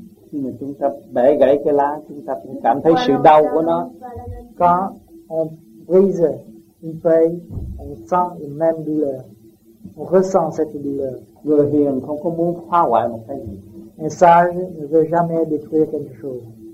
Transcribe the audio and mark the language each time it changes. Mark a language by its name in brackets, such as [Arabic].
[Vietnamese] Khi mà chúng ta bẻ gãy cái lá, chúng ta cũng cảm thấy sự đau của nó. [French] Quand on brise une feuille, on sent la même douleur. On ressent cette douleur. [Vietnamese] Người hiền không có muốn phá hoại một cái gì. [French] Un sage ne veut jamais détruire quelque chose.